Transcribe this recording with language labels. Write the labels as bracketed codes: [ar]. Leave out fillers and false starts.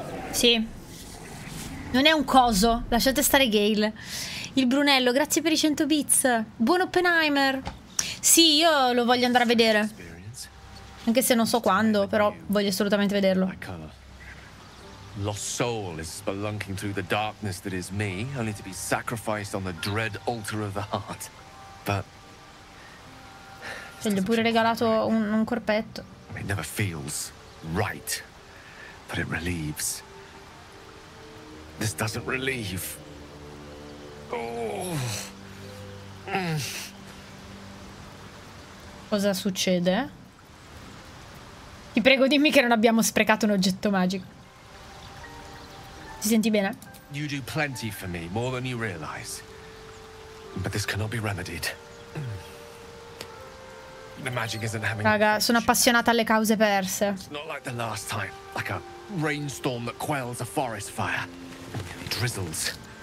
[it] Sì. Non è un coso. Lasciate stare Gale. Il Brunello, grazie per i 100 bits. Buon Oppenheimer. Sì, io lo voglio andare a vedere. Anche se non so quando, però voglio assolutamente vederlo. [en] Lost soul is spelunking through the darkness that is me, only to be sacrificed on the dread altar of the heart. But [it] gli ho pure regalato un corpetto. [en] It never feels right, but it relieves. This doesn't relieve. [it] Cosa succede? Ti prego, dimmi che non abbiamo sprecato un oggetto magico. Ti senti bene? [en] You do plenty for me, more than you realize. But this cannot be remedied. The magic isn't having. [it] Raga, sono appassionata alle cause perse. [en] It's not like the last time, like a rainstorm that quells a forest fire. It drizzles.